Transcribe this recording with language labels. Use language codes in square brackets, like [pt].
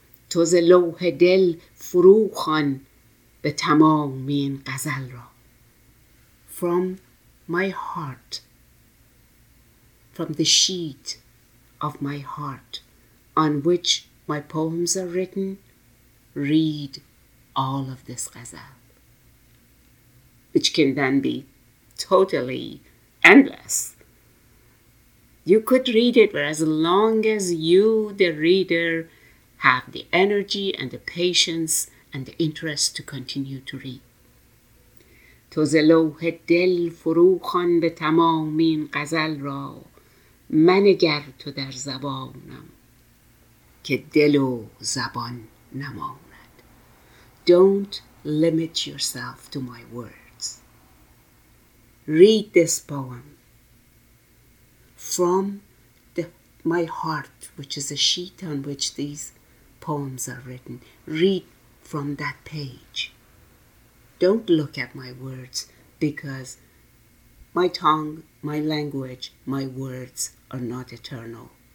[fa] تو ز لوح دل فرو خوان به تمام این ghazal را. [en] From my heart, from the sheet of my heart on which my poems are written, read all of this ghazal, which can then be totally endless. You could read it for as long as you, the reader, have the energy and the patience and the interest to continue to read. [fa] تو ز لوح دل فرو خوان به تمام این غزل را، من گر تو در زبانم که دل و زبان نماند. [en] Don't limit yourself to my words. Read this poem from my heart, which is a sheet on which these poems are written. Read from that page. Don't look at my words, because my tongue, my language, my words are not eternal.